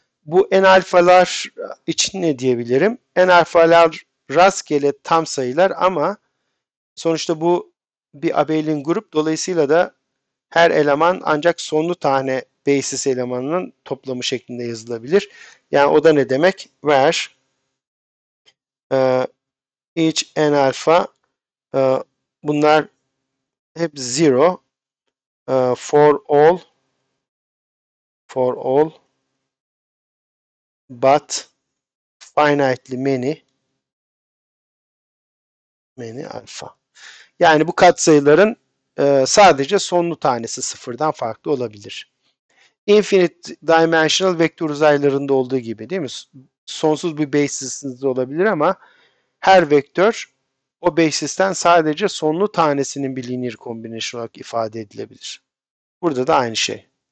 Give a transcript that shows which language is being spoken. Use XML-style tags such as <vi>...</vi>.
<tr>Bu n alfalar için ne diyebilirim? N alfalar rastgele tam sayılar ama sonuçta bu bir abelin grup. Dolayısıyla da her eleman ancak sonlu tane basis elemanının toplamı şeklinde yazılabilir. Yani o da ne demek?</tr> <en>Where each n alpha</en> <tr>bunlar hep</tr> <en>zero for all but finitely many alpha.</en> <tr>Yani bu katsayıların sadece sonlu tanesi sıfırdan farklı olabilir. Infinite dimensional vektör uzaylarında olduğu gibi, değil mi? Sonsuz bir basis'iniz olabilir ama her vektör o basis'ten sadece sonlu tanesinin bilinir kombinasyon olarak ifade edilebilir. Burada da aynı şey.</tr>